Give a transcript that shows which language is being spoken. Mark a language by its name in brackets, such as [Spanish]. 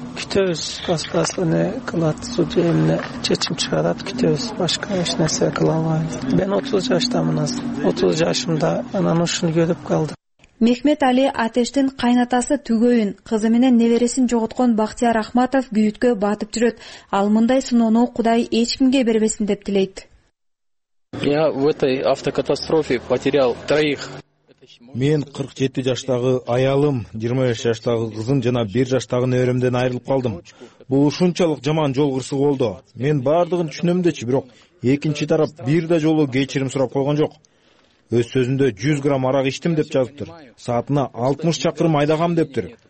[Kyrgyz] Күтөбүз. Башкасы эмне кылат, судья эмне чечим чыгарат, күтөбүз. Башка эч нерсе кыла албайбыз. Мен 30 жаштамын азыр. 30 жашымда анан ушуну көрүп калдым. Мехмет Али Атештин кайнатасы түгөйүн, кызы менен небересин жоготкон Бактияр Ахматов күйүткө батып жүрөт. Ал мындай сыноону Кудай эч кимге бербесин деп тилейт. [Russian] Я в этой автокатастрофе потерял троих. [Kyrgyz] Мен 47 жаштагы аялым, 25 жаштагы кызым жана 1 жаштагы неберемден айрылып калдым. Бул ушунчалык жаман жол кырсыгы болду. Мен бардыгын түшүнөм дечи, бирок экинчи тарап бир да жолу кечирим сурап койгон жок. Өз сөзүндө 100 грамм арак ичтим деп жазыптыр. Саатына 60 чакырым айдагам дептир.